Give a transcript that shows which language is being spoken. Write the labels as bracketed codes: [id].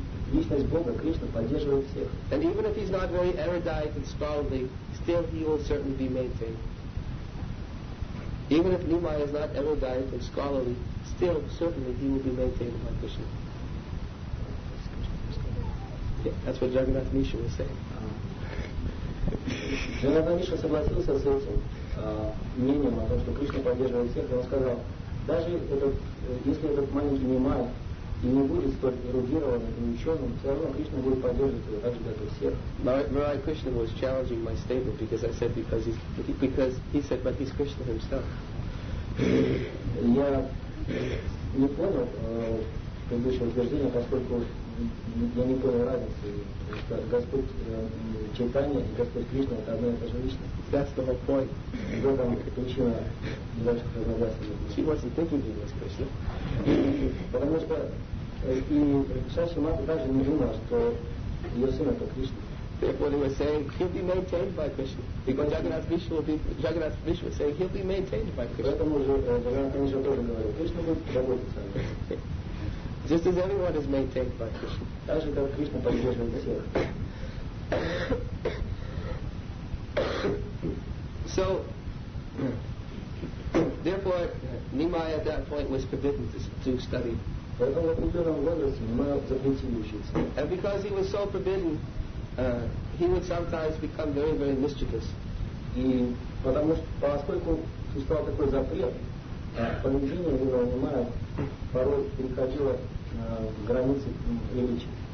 [ru] Личность Бога, Кришна, поддерживает всех. [en] And even if he's not very erudite and scholarly, still he will certainly be maintained. Even if Nimai is not erudite and scholarly, still certainly he will be maintained by Krishna. Yeah, that's what Jagannath Mishra was saying. [ru] Jagannath Mishra согласился с этим мнением о том, что Кришна поддерживает всех, и он сказал, даже если этот маленький Нимай и не будет столь эрудированным и ученым, все равно Кришна будет поддерживать его так же, как и всех. [en] Мирай Кришна was challenging my statement because I said because he said, but he's Krishna himself. [ru] Я не понял предыдущего утверждения, поскольку я не понял разницы. Господь Чайтанья и Господь Кришна — это одна и та же личность. [en] That's the whole point. [ru] В этом причина наших разногласий. [en] She wasn't thinking he was Krishna. [ru] Потому что и Шаши Мата даже не думала, что ее сын — это Кришна. [en] Therefore he was saying, he'll be maintained by Krishna. Because Jagannath Mishra will be, Jagannath Mishra was saying, he'll be maintained by Krishna. [ru] Поэтому же Jagannath Mishra тоже говорил, Кришна будет заботиться о нем. [en] Just as everyone is maintained by Krishna. [ru] Так же, как Кришна поддерживает всех. [en] So, therefore, Nimai at that point was forbidden to study. [ru] Поэтому в определенном возрасте Nimai запретили учиться. [en] And because he was so forbidden, he would sometimes become very, very mischievous. [ru] И потому что поскольку существовал такой запрет, поведение его внимания порой переходило границы приличия.